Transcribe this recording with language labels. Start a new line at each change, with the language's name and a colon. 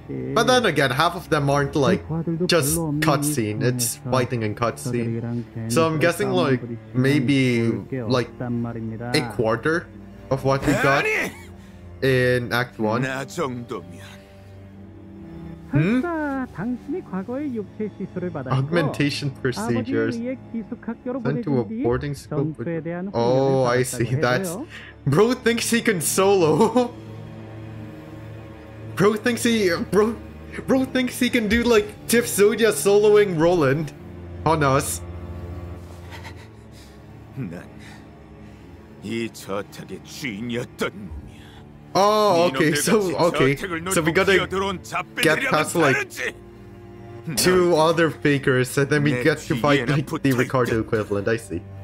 English: But then again, half of them aren't like just cutscene. It's fighting and cutscene. So I'm guessing like maybe like a quarter of what we got in Act 1.
Korean: 나 정도면. 설사 당신이 과거에 육체 시술을 받았고
English: augmentation procedures sent to a boarding school with... Oh, I see. That's... Bro thinks he can solo. Bro thinks he can do like Tiff Zodia soloing Roland on us.
Korean: 난 이 저택의 주인이었던
English: Oh, okay, so we gotta get past, like, two other fakers, and then we get to fight, like, the Ricardo equivalent, I see.